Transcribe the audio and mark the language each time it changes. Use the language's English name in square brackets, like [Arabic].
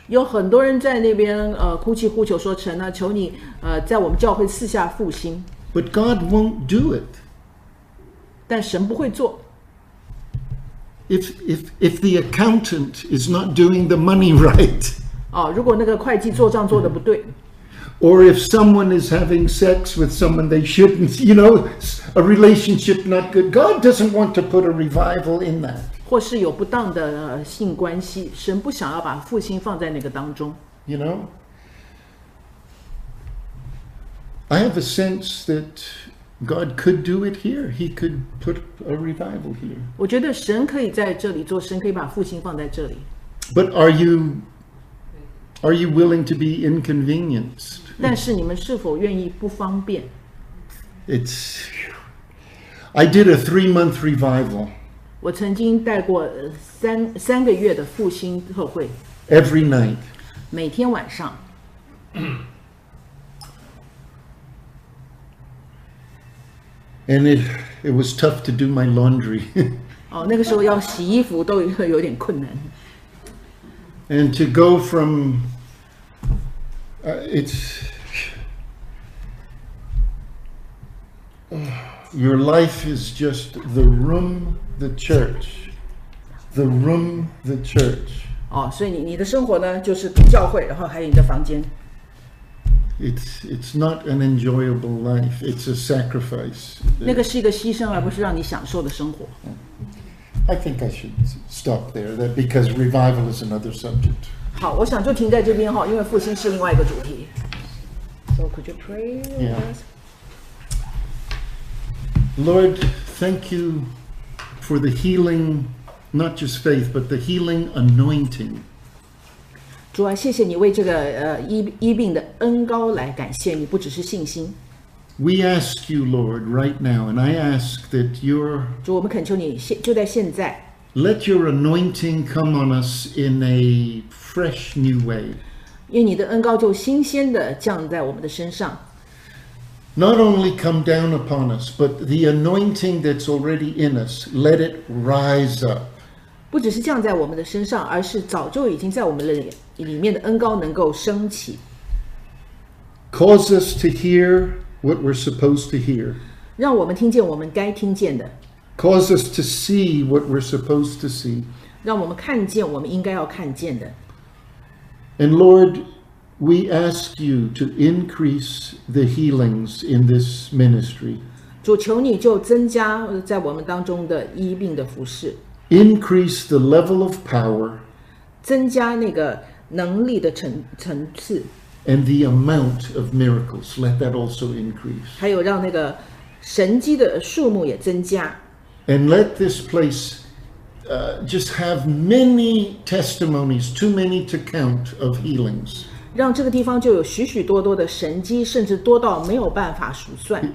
[Chinese] 有很多人在那边哭泣呼求说，神啊，求你在我们教会赐下复兴。 [English] But God won't do it. [Chinese] 但神不会做。 [English] If the accountant is not doing the money right. [Chinese] 如果那个会计做账做得不对。 [English] Or if someone is having sex with someone they shouldn't, you know, a relationship not good. God doesn't want to put a revival in that. [Chinese] 或是有不当的性关系，神不想要把复兴放在那个当中。 [English] You know? I have a sense that God could do it here. He could put a revival here. [Chinese] 我觉得神可以在这里做，神可以把复兴放在这里。 [English] But are you willing to be inconvenienced? [Chinese] 但是你们是否愿意不方便？ [English] I did a 3-month revival. [Chinese] 我曾经带过三个月的复兴特会。 [English] Every night. [Chinese] 每天晚上。 [English] And it was tough to do my laundry. [Chinese] 那个时候要洗衣服都有点困难。 [English] And to go from, your life is just the room, the church, the room, the church. [Chinese] 所以你的生活呢，就是教会，然后还有你的房间。 [English] It's not an enjoyable life. It's a sacrifice. [Chinese] 那个是一个牺牲，而不是让你享受的生活。 [English] I think I should stop there, that because revival is another subject. [Chinese] 好，我想就停在这边哈，因为复兴是另外一个主题。 [English] So could you pray? Yeah. Lord, thank you for the healing, not just faith, but the healing anointing. [Chinese] 主啊，谢谢你为这个医病的恩膏来感谢你，不只是信心。 [English] We ask you, Lord, right now, and I ask that your [Chinese] 主，我们恳求你，就在现在。 [English] Let your anointing come on us in a fresh new way. [Chinese] 愿你的恩膏就新鲜的降在我们的身上。 [English] Not only come down upon us, but the anointing that's already in us, let it rise up. [Chinese] 不只是降在我们的身上，而是早就已经在我们的里面的恩膏能够升起。 [English] Cause us to hear what we're supposed to hear. [Chinese] 让我们听见我们该听见的。 [English] Cause us to see what we're supposed to see. [Chinese] 让我们看见我们应该要看见的。 [English] And Lord, we ask you to increase the healings in this ministry. [Chinese] 主求你就增加在我们当中的医病的服事。 [English] Increase the level of power, [Chinese] 增加那个能力的层次 [English] and the amount of miracles. Let that also increase. [Chinese] 还有让那个神迹的数目也增加 [English] and let this place, just have many testimonies, too many to count of healings. [Chinese] 让这个地方就有许许多多的神迹，甚至多到没有办法数算